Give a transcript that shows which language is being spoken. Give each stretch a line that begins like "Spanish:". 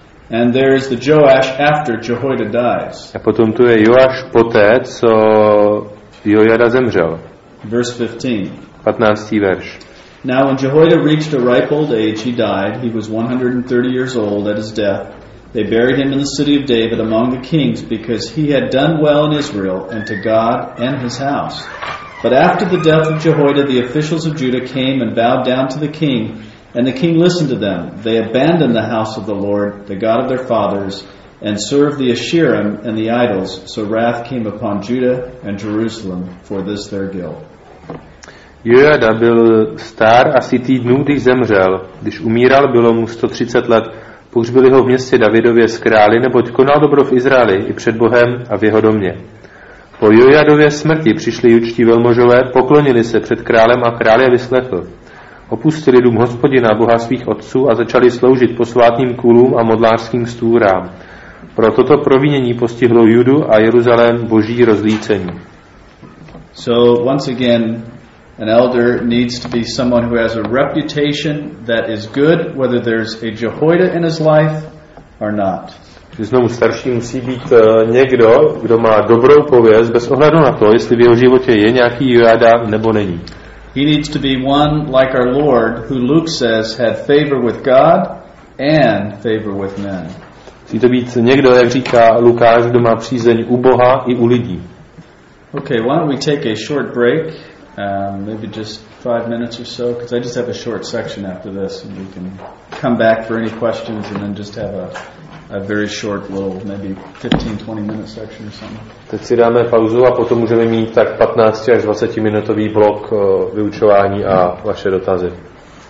English: And there is the Joash after Jehoiada dies.
Czech: A potom tu je Joáš poté, co Jojada zemřel.
English: Verse 15.
Czech: 15. verš.
English: Now when Jehoiada reached a ripe old age, he died. He was 130 years old at his death. They buried him in the city of David among the kings because he had done well in Israel and to God and his house. But after the death of Jehoiada, the officials of Judah came and bowed down to the king. And the king listened to them. They abandoned the house of the Lord, the God of their fathers, and served the Asherim and the idols. So wrath came upon Judah and Jerusalem for this their guilt.
Czech: Jojada byl star asi týdnů, když zemřel. Když umíral, bylo mu 130 let. Pohřbili ho v městě Davidově s králi, neboť konal dobro v Izraeli i před Bohem a v jeho domě. Po Jojadově smrti přišli judští velmožové, poklonili se před králem a král je vyslechl. Opustili dům hospodina, boha svých otců a začali sloužit posvátným kůlům a modlářským stůrám. Pro toto provinění postihlo Judu a Jeruzalém boží rozlícení.
English: So once again, an elder needs to be someone who has a reputation that is good, whether there's a Jehoiada in his life or not.
Czech: Znovu starší musí být někdo, kdo má dobrou pověst, bez ohledu na to, jestli v jeho životě je nějaký Jojada nebo není.
English: He needs to be one like our Lord, who Luke says had favor with God and favor with men.
Czech: Musí to být někdo, jak říká Lukáš, kdo má přízeň u Boha i u lidí.
English: Okay, why don't we take a short break? Maybe just 5 minutes or so, because I just have a short section after this, and we can come back for any questions, and then just have a very short little, maybe 15-20 minute section or something.
Czech: Teď si dáme pauzu a potom můžeme mít tak 15 až 20 minutový blok vyučování a vaše dotazy.